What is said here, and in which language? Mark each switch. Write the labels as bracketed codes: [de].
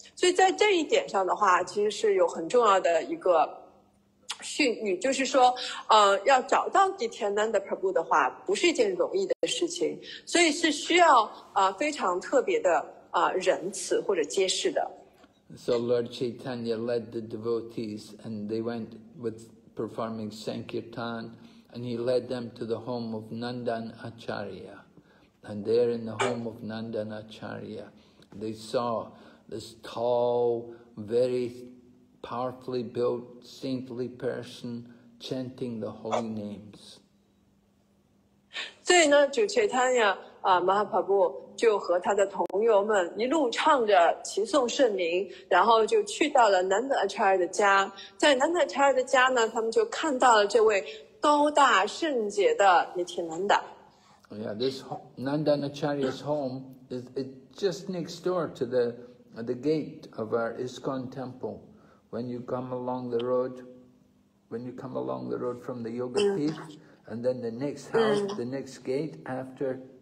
[zh] 所以在这一点上的话，其实是有很重要的一个训语，就是说，要找到地天丹的 Prabhu 的话，不是一件容易的事情，所以是需要非常特别的仁慈或者揭示的。 [en] So Lord Chaitanya led the devotees, and they went with. Performing Sankirtan, and he led them to the home of Nandan Acharya. And there in the home of Nandan Acharya, they saw this tall, very powerfully built, saintly person chanting the holy names. [zh] 所以呢，主持他呀，马哈帕布就和他的同友们一路唱着齐颂圣名，然后就去到了南德查尔的家。在南德查尔的家呢，他们就看到了这位高大圣洁的尼提南达。 [en] Yeah, this Nandanacharya's home is it just next door to the gate of our ISKCON temple. When you come along the road from the Yoga Peak, and then the next house, the next gate after.